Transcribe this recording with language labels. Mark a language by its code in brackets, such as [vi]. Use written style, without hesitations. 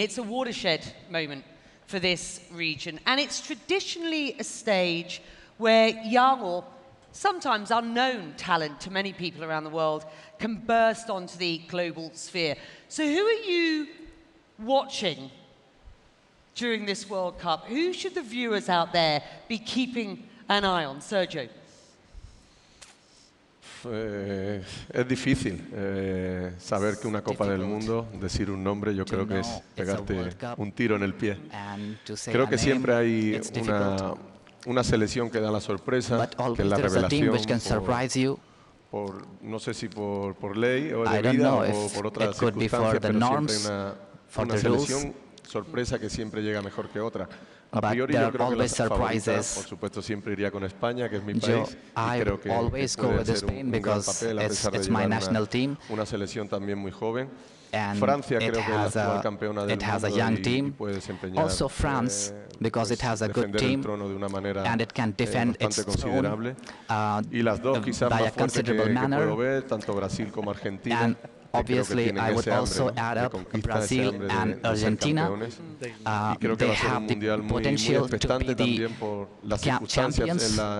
[en] It's a watershed moment for this region. And it's traditionally a stage where young or sometimes unknown talent to many people around the world can burst onto the global sphere. So who are you watching during this World Cup? Who should the viewers out there be keeping an eye on? Sergio. [es] Es difícil saber que una Copa del Mundo, decir un nombre, yo creo que es pegarte un tiro en el pie. Creo que siempre hay una selección que da la sorpresa, que es la revelación, por no sé si por ley o de vida o por otras circunstancias, pero siempre hay una selección sorpresa que siempre llega mejor que otra. A priori, yo creo que las favoritas, por supuesto, siempre iría con España, que es mi país, y creo que puede ser un gran papel, a pesar de llevar una selección también muy joven. Francia, creo que es la actual campeona del mundo y puede desempeñar defender el trono de una manera bastante considerable. Y las dos, quizás más fuertes que puedo ver, tanto Brasil como Argentina. [en] Obviously, I would also add up Brazil and Argentina. They have the potential to be the champions.